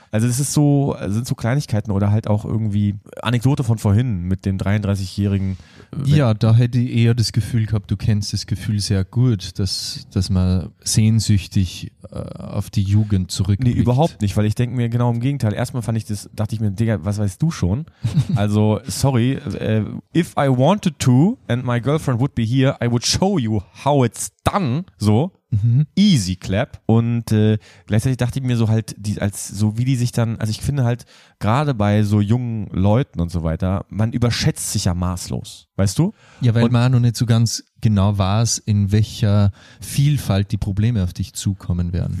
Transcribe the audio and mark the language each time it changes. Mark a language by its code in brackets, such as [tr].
[de] Also das ist so, sind so Kleinigkeiten oder halt auch irgendwie Anekdote von vorhin mit dem 33-Jährigen. Ja, da hätte ich eher das Gefühl gehabt, du kennst das Gefühl sehr gut, dass man sehnsüchtig auf die Jugend zurückblickt. Nee, überhaupt nicht, weil ich denke mir genau im Gegenteil. Erstmal dachte ich mir, Digga, was weißt du schon? [en] Also, sorry, if I wanted to and my girlfriend would be here, I would show you how it's done, so. Mhm. Easy clap. [de] Und gleichzeitig dachte ich mir so halt, ich finde halt gerade bei so jungen Leuten und so weiter, man überschätzt sich ja maßlos, weißt du? Ja, weil man noch nicht so ganz genau weiß, in welcher Vielfalt die Probleme auf dich zukommen werden.